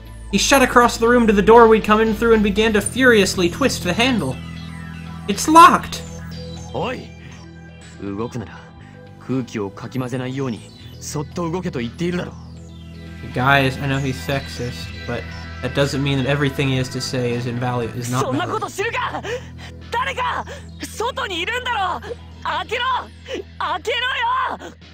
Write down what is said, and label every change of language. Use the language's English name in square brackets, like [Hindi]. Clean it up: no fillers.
[English] He shut across the room to the door we'd come in through and began to furiously twist the handle. It's locked! [Japanese] Oi! 動くなら、空気をかき混ぜないように、そっと動けと言っているだろう。 [English] Guys, I know he's sexist, but that doesn't mean that everything he has to say is invalid, is not valid. [Japanese] そんなこと知るか!誰か!外にいるんだろ! 開けろ!開けろよ!